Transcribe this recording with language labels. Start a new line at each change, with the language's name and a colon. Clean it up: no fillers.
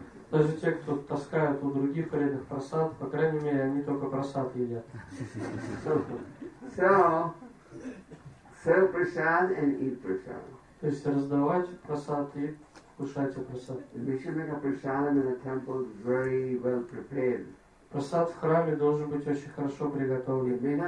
Russian: Даже те, кто таскают у других преданных прасад, по крайней мере, они только прасад едят.
English: Sell prasad and eat prasad.
Russian: То есть раздавать прасад и кушать прасад.
English: We should make a prasadam in the temple very well prepared.
Russian: Прасад в храме должен быть очень хорошо приготовлен.